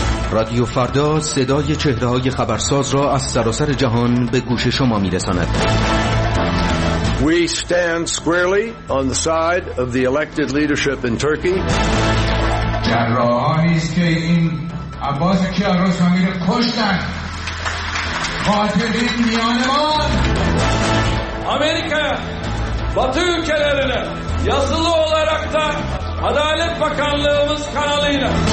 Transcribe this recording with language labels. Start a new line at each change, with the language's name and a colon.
Persian: رادیو فردا صدای چهره‌های خبرساز را از سراسر جهان به گوش شما می‌رساند.
English: We stand squarely on the side of the elected leadership in Turkey.
Persian: جراحانی است که این عباس کیارستمی را کشتن. قاتلین میان ما.
Turkish: آمریکا Batı ülkelerine yazılı olarak da Adalet Bakanlığımız kanalıyla.